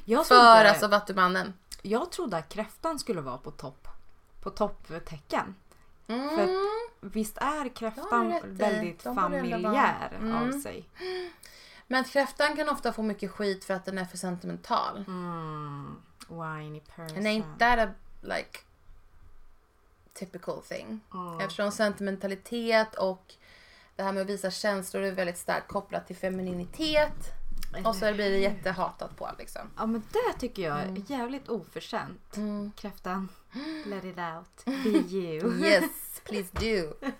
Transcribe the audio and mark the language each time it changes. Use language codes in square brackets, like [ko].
[sv] Alltså vattumannen. Jag trodde att kräftan skulle vara på topp. På topptecken. Mm. För visst är kräftan väldigt familjär av sig. Men kräftan kan ofta få mycket skit för att den är för sentimental. [en] Mm. Whiny person. And ain't that a like typical thing. Mm. [sv] Eftersom sentimentalitet och det här med att visa känslor är väldigt starkt kopplat till femininitet. Och så blir det jättehatat på liksom. Ja, men det tycker jag är jävligt oförtjänt. Mm. Kräftan, [en] let it out. Be you. Yes, please do.